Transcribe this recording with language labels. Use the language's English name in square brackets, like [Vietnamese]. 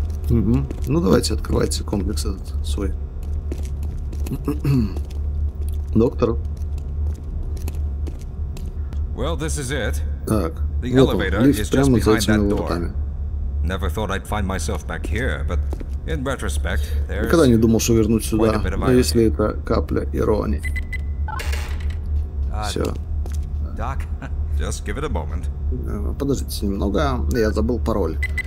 [Russian] Ну, давайте, открывайте комплекс этот свой. Доктор. [English] Well, this is it. [Russian] Так, вот он, лифт прямо за этими воротами. [English] Never thought I'd find myself back here, but... In retrospect, there's [Russian] никогда не думал, что вернуть сюда, но если это капля иронии. Все. [English] Doc, just give it a moment. [Russian] Подождите немного, я забыл пароль.